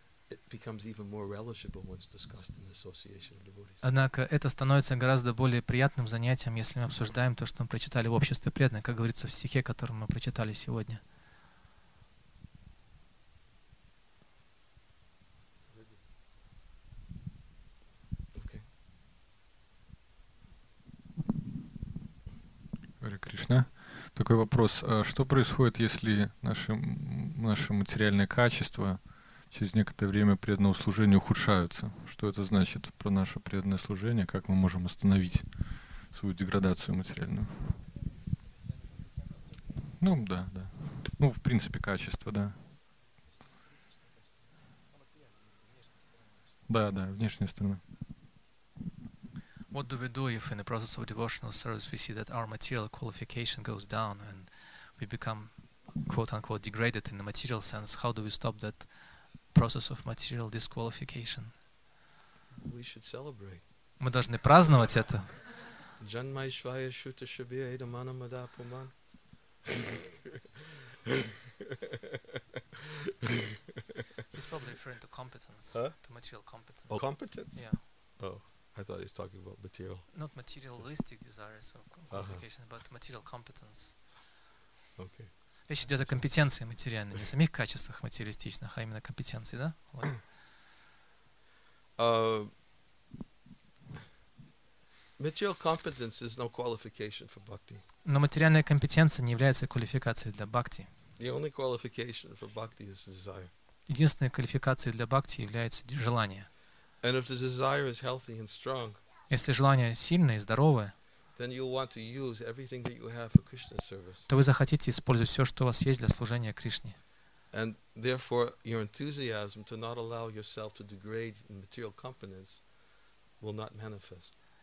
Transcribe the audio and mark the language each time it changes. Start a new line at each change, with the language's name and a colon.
English: It becomes even more relishable when it's discussed in the association of devotees.
Russian: Однако это становится гораздо более приятным занятием, если мы обсуждаем то, что мы прочитали в обществе преданных, как говорится в стихе, который мы прочитали сегодня. Хари Кришна. Такой вопрос. А что происходит, если наши материальные качества через некоторое время преданного служения ухудшаются? Что это значит про наше преданное служение? Как мы можем остановить свою деградацию материальную? Ну, да, да. Ну, в принципе, качество, да. Да, да, внешняя сторона.
English: What do we do if in the process of devotional service we see that our material qualification goes down and we become quote-unquote degraded in the material sense? How do we stop that process of material disqualification?
Russian: Мы должны праздновать это.
Sanskrit: Джанмайшвая шута шабе эйдамана мада пуман.
English: He's probably referring to competence, huh? To material competence. Oh, competence? Yeah. Oh, I thought he was talking about material. Not materialistic desires or qualifications, uh-huh. But material competence. Okay.
Russian: Речь идет о компетенции материальной, не о самих качествах материалистичных, а именно компетенции, да?
English: Material competence is no qualification for bhakti.
Russian: Но материальная компетенция не является квалификацией для бхакти.
English: The only qualification for bhakti is desire.
Russian: Единственной квалификацией для бхакти является желание.
English: And if the desire is healthy and strong,
Russian: если желание сильное и здоровое,
English: then you'll want to use everything that you have for Krishna's service.
Russian: То вы захотите использовать все, что у вас есть для служения Кришне.
English: And therefore, your enthusiasm to not allow yourself to degrade in material competence will not manifest.